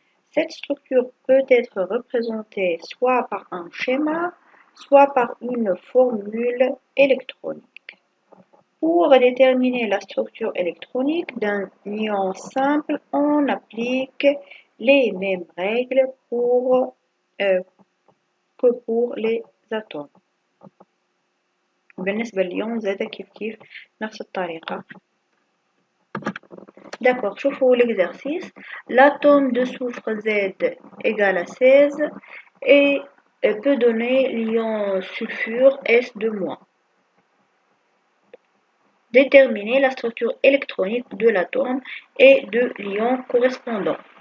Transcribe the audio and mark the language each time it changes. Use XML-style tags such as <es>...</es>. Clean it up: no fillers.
<fr>Cette structure peut être représentée soit par un schéma, soit par une formule électronique. Pour déterminer la structure électronique d'un ion simple, on applique les mêmes règles que pour les atomes.</fr> <ar>بالنسبه لليون زاد كيف نفس الطريقه.</ar> <fr>D'accord, je fais l'exercice. L'atome de soufre Z égale à 16 et peut donner l'ion sulfure S de moins. Déterminer la structure électronique de l'atome et de l'ion correspondant.</fr>